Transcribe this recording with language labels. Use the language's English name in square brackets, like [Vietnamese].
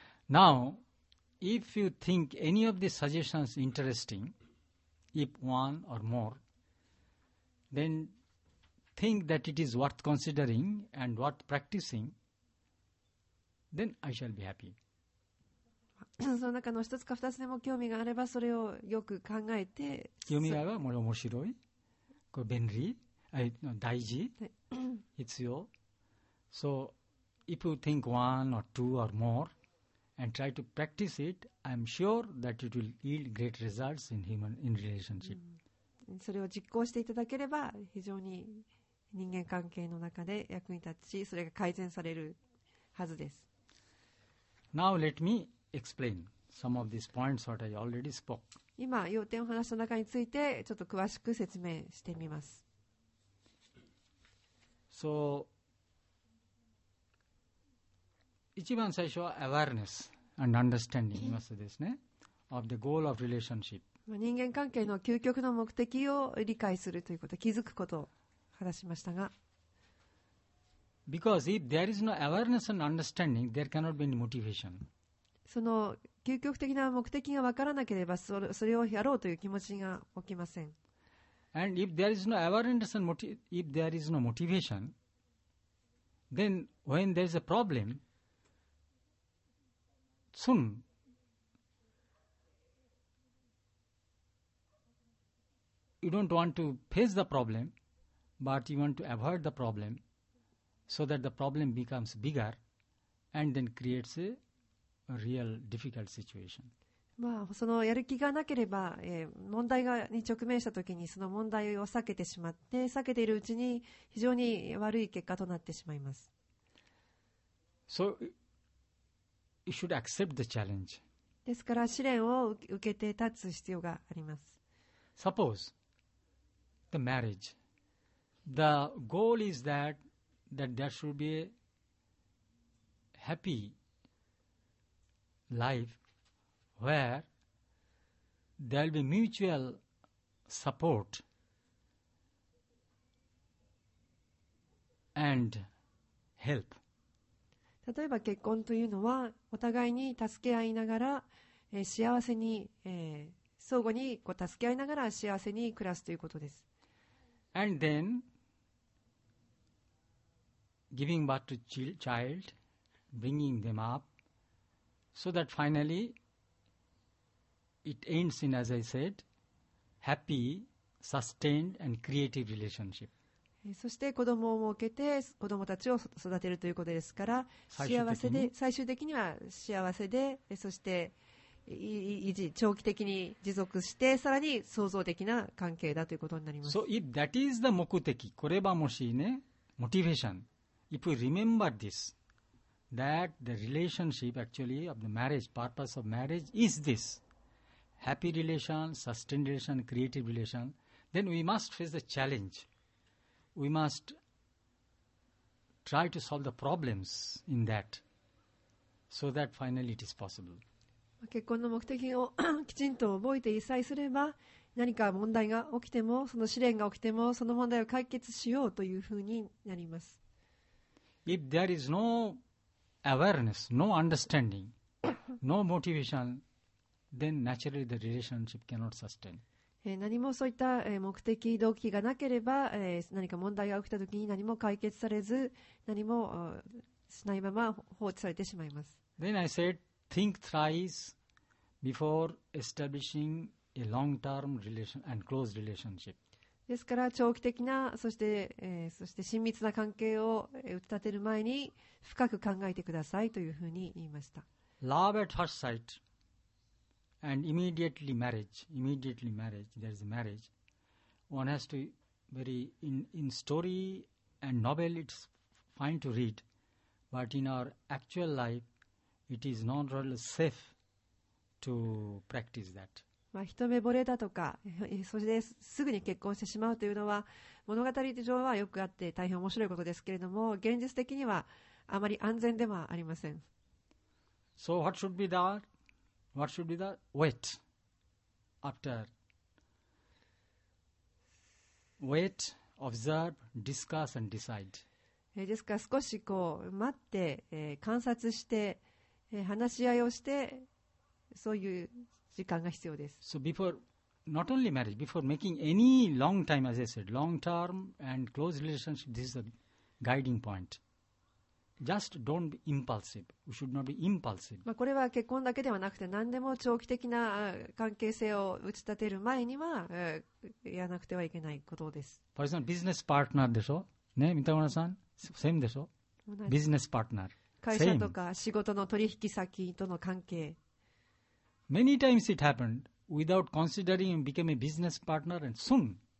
[English] Now if you think any of the suggestions interesting, if one or more, then think that it is worth considering and worth practicing, then I shall be happy. [Japanese] その中の一つか二つでも興味があれば、それをよく考えて、読み合えば面白い、これ便利、大事、必要。 [English] So if you think one or two or more and try to practice it, I am sure that it will yield great results in human in relationship. [Japanese] それを実行していただければ非常に人間関係の中で役に立ち、それが改善されるはずです。 [English] Now let me explain some of these points that I already spoke. [Japanese] 今要点を話した中についてちょっと詳しく説明してみます。 [English] So [Japanese] 一番最初は [English] awareness and understanding [Japanese] ますですね、 [English] of the goal of relationship。 [Japanese] 人間関係の究極の目的を理解するということ、気づくことを話しましたが、 [English] Because if there is no awareness and understanding, there cannot be any motivation. [Japanese] その究極的な目的が分からなければ、それをやろうという気持ちが起きません。 [English] And if there is no awareness and if there is no motivation, then when there is a problem, soon you don't want to face the problem. But you want to avoid the problem so that the problem becomes bigger and then creates a real difficult situation. [Japanese] まあ、そのやる気がなければ、問題がに直面したときにその問題を避けてしまって、避けているうちに非常に悪い結果となってしまいます。 [English] So, you should accept the challenge. [Japanese] ですから試練を受けて立つ必要があります。 [English] Suppose the marriage. The goal is that there should be a happy life where there will be mutual support and help. [Japanese] 例えば結婚というのはお互いに助け合いながら、幸せに、相互にこう助け合いながら幸せに暮らすということです。 [English] And then,Giving birth to child, bringing them up, so that finally it ends in, as I said, happy, sustained, and creative relationship. [Japanese] そして子供を設けて子供たちを育てるということですから、幸せで最終的には幸せで、そして維持長期的に持続して、さらに創造的な関係だということになります。 [English] So if that is the [Japanese] 目的、これはもしね、 [English] motivation. If we remember this, that the relationship actually of the marriage, purpose of marriage is this, happy relation, sustained relation, creative relation, then we must face the challenge. We must try to solve the problems in that, so that finally it is possible. [Japanese] 結婚の目的をきちんと覚えていさえすれば、何か問題が起きても、その試練が起きても、その問題を解決しようというふうになります。 [English] If there is no awareness, no understanding, no motivation, then naturally the relationship cannot sustain. [Japanese] 何もそういった目的動機がなければ、何か問題が起きたときに何も解決されず、何もしないまま放置されてしまいます。 [English] Then I said, think thrice before establishing a long-term relation and close relationship. [Japanese] ですから長期的な、そして親密な関係を打ち立てる前に深く考えてくださいというふうに言いました。 [English] Love at first sight and immediately marriage, there is a marriage. One has to very in story and novel it's fine to read, but in our actual life it is not really safe to practice that. [Japanese] まあ、一目惚れだとか、それですぐに結婚してしまうというのは物語上はよくあって大変面白いことですけれども、現実的にはあまり安全ではありません。 [English] So what should be the wait after Wait, observe, discuss and decide. [Japanese] ですから少しこう待って、観察して、話し合いをしてそういう時間が必要です。 [English] So before, not only marriage, before making any long time, as I said, long term and close relationship, this is a guiding point. Just don't be impulsive. We should not be impulsive. [Japanese] まあこれは結婚だけではなくて何でも長期的な関係性を打ち立てる前には、やらなくてはいけないことです。 [English] For example, business partner [Japanese] でしょ？ね、 [English] 三田村さん、same [Japanese] でしょ？ [English] Business partner。 [Japanese] 会社とか仕事の取引先との関係。 [English] Many times it happened without considering and became a business partner and soon